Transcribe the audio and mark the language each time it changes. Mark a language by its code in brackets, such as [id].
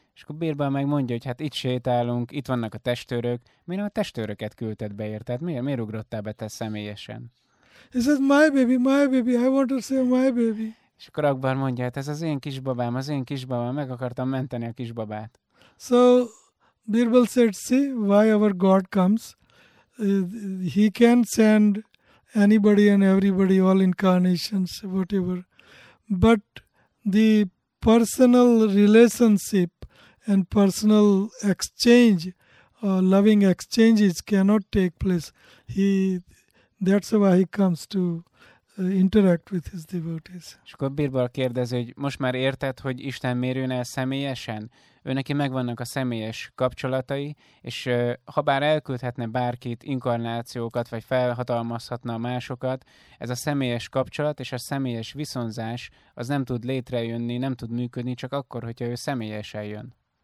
[hu] És akkor Birbal megmondja, hogy hát itt sétálunk, itt vannak a testőrök. Miért a testőröket küldted be, érted? Miért ugrottál be te személyesen? [en] He says, my baby, I want to save my baby. [hu] És akkor Akbar mondja, hát ez az én kisbabám, meg akartam menteni a kisbabát. [en] So Birbal said, see why our God comes. He can send anybody and everybody, all incarnations, whatever. But the personal relationship and personal exchange, loving exchanges cannot take place. That's why he comes to interact with his devotees. [hu] És akkor Birbal kérdezi, hogy most már érted, hogy Isten mérjön el személyesen? Ő neki megvannak a személyes kapcsolatai, és ha bár elküldhetne bárkit, inkarnációkat, vagy felhatalmazhatna másokat, ez a személyes kapcsolat és a személyes viszonzás az nem tud létrejönni, nem tud működni, csak akkor, hogyha ő személyesen jön.